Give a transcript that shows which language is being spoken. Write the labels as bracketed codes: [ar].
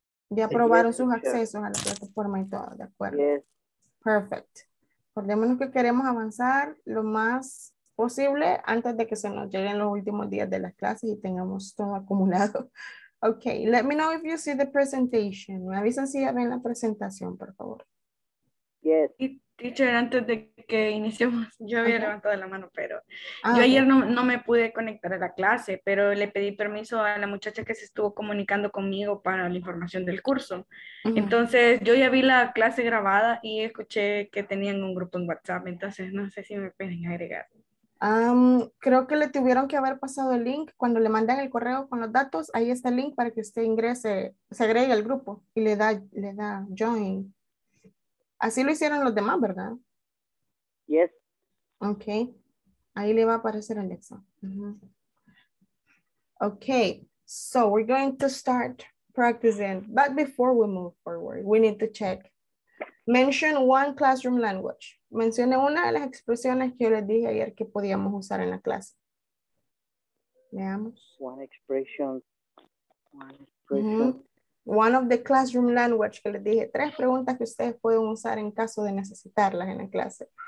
[es] Ya aprobaron sus accesos a la plataforma y todo, ¿de acuerdo? [en] Yes. Perfect. [es] Acordémonos que queremos avanzar lo más posible antes de que se nos lleguen los últimos días de las clases y tengamos todo acumulado. [en] Okay, let me know if you see the presentation. [es] Me avisan si ya ven la presentación, por favor. [en] Yes. [es] Teacher, antes de que iniciemos, yo había okay. levantado la mano, pero okay. yo ayer no me pude conectar a la clase, pero le pedí permiso a la muchacha que se estuvo comunicando conmigo para la información del curso. Mm-hmm. Entonces, yo ya vi la clase grabada y escuché que tenían un grupo en WhatsApp, entonces no sé si me pueden agregar. Creo que le tuvieron que haber pasado el link. Cuando le mandan el correo con los datos, ahí está el link para que usted ingrese, se agregue al grupo y le da join. Así lo hicieron los demás, ¿verdad? Yes. Ok. Ahí le va a aparecer el Alexa. Uh-huh. Ok. [en] So we're going to start practicing. But before we move forward, we need to check. Mention one classroom language. [es] Mencione una de las expresiones que yo les dije ayer que podíamos usar en la clase. Veamos. [en] One expression. Mm-hmm. One of the classroom language [es] que les dije. Tres preguntas que ustedes pueden usar en caso de necesitarlas en la clase.